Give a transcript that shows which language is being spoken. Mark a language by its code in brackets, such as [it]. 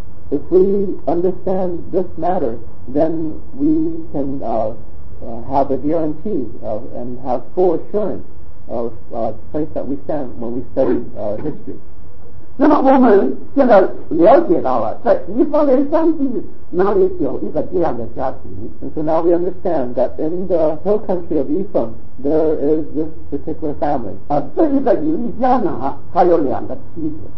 [en] If we understand this matter, then we can have a guarantee and have full assurance of the place that we stand when we study history. [zh] 那么我们现在了解到了，在以色列山地那里有一个这样的家庭。 [en] And so now we understand that in the hill country of Ephraim, there is this particular family. [zh] 这一个以利家呢，他有两个妻子。